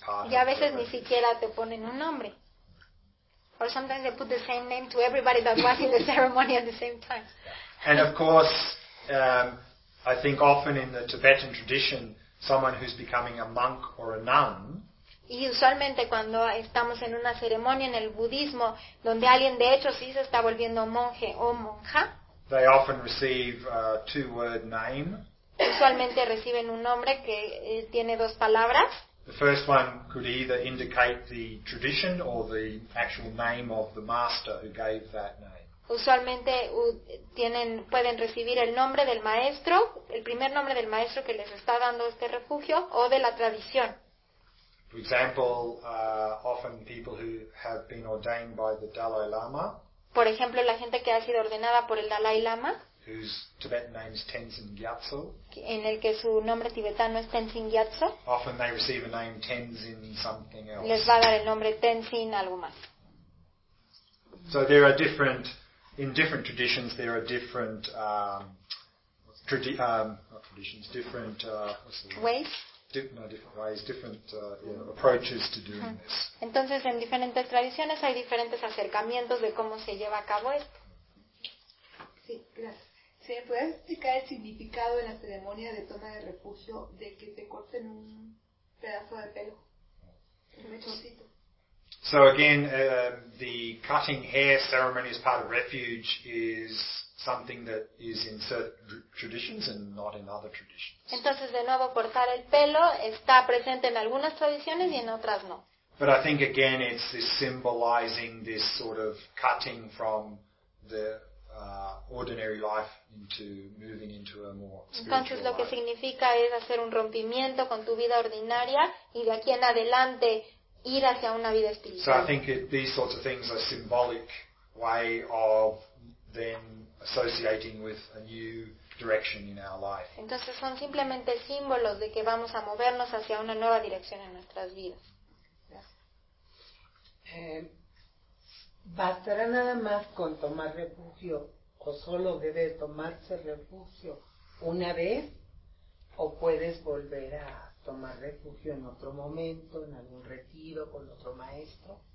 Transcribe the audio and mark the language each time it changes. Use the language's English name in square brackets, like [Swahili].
[Spanish] Y a veces ni siquiera te ponen un nombre. [English] Or sometimes they put the same name to everybody that was in the ceremony at the same time. And of course, I think often in the Tibetan tradition, someone who's becoming a monk or a nun. [Spanish] Y usualmente cuando estamos en una ceremonia en el budismo, donde alguien de hecho sí se está volviendo monje o monja. [English] They often receive a two-word name. [Spanish] Usualmente reciben un nombre que tiene dos palabras. [English] The first one could either indicate the tradition or the actual name of the master who gave that name. [Spanish] Usualmente pueden recibir el nombre del maestro, el primer nombre del maestro que les está dando este refugio, o de la tradición. [English] For example, often people who have been ordained by the Dalai Lama. [Spanish] Por ejemplo, la gente que ha sido ordenada por el Dalai Lama. [English] Whose Tibetan name is Tenzin Gyatso. [Spanish] En el que su nombre tibetano es Tenzin Gyatso. [English] Often they receive a name Tenzin something else. [Spanish] Les va a dar el nombre Tenzin algo más. [English] So there are different, in different traditions, there are different, not traditions, different, what's the word? Ways? Approaches to doing this. [Spanish] Entonces en diferentes tradiciones hay diferentes acercamientos de cómo se lleva a cabo esto. Sí, gracias. ¿Se puede explicar el significado en la ceremonia de toma de refugio de que te corten un pedazo de pelo? Un mechoncito. [English] So again, the cutting hair ceremony as part of refuge is something that is in certain traditions and not in other traditions. [Spanish] Entonces, de nuevo, cortar el pelo está presente en algunas tradiciones y en otras no. [English] But I think, again, it's this symbolizing this sort of cutting from the ordinary life into moving into a more spiritual. [Spanish] Entonces lo que significa es hacer un rompimiento con tu vida ordinaria y de aquí en adelante ir hacia una vida espiritual. [English] So I think these sorts of things are symbolic way of then associating with a new direction in our life. [Spanish] Entonces son simplemente símbolos de que vamos a movernos hacia una nueva dirección en nuestras vidas. ¿Bastará nada más con tomar refugio o solo debe tomarse refugio una vez, o puedes volver a tomar refugio en otro momento, en algún retiro con otro maestro.